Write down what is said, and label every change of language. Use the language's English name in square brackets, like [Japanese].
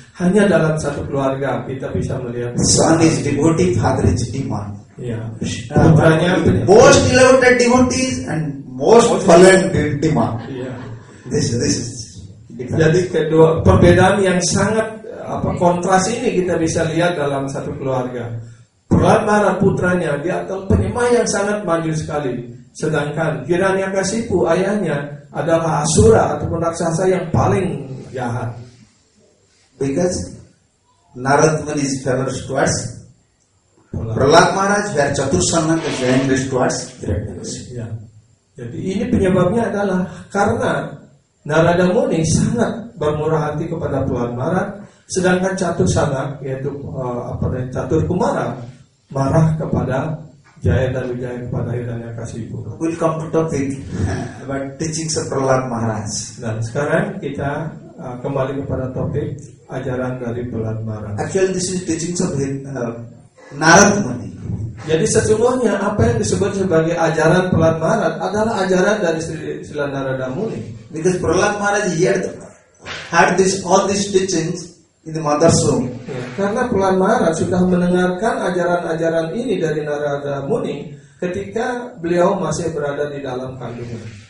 [Indonesian] Hanya dalam satu keluarga kita bisa melihat. [English] Son is devotee, father is demon. [Indonesian] Ya. Putranya [English] most elevated devotees and most fallen demon. [Indonesian] Ya. [English] This is different. [Indonesian] Jadi kedua perbedaan yang sangat kontras ini kita bisa lihat dalam satu keluarga. Prahlada putranya dia adalah penyembah yang sangat maju sekali, sedangkan Hiranyakasipu ayahnya adalah asura ataupun raksasa yang paling jahat. [English] Because Narad Muni is favored towards Prahlad Maharaj, where Chatursana is angry towards Hiranyakasipu. [Indonesian] Ya. Jadi ini penyebabnya adalah karena Narada Muni sangat bermurah hati kepada Prahlad Maharaj, Sedangkan catur sanak, yaitu catur kumara, marah kepada Jaya dan Wijaya, kepada Hiranya Kasipura. [English] We'll come to topic about teachings of Prahlad Maharaj. [Indonesian] Dan sekarang kita kembali kepada topik ajaran dari Prahlad Maharaj. [English] Actually this is teachings of Narad Muni. [Indonesian] Jadi sesungguhnya apa yang disebut sebagai ajaran Prahlad Maharaj adalah ajaran dari Sri Narada Muni. [English] Because Prahlad Maharaj had this all these teachings in the mother's womb. [Indonesian] Karena Prahlad Maharaj sudah mendengarkan ajaran-ajaran ini dari Narada Muni ketika beliau masih berada di dalam kandungan.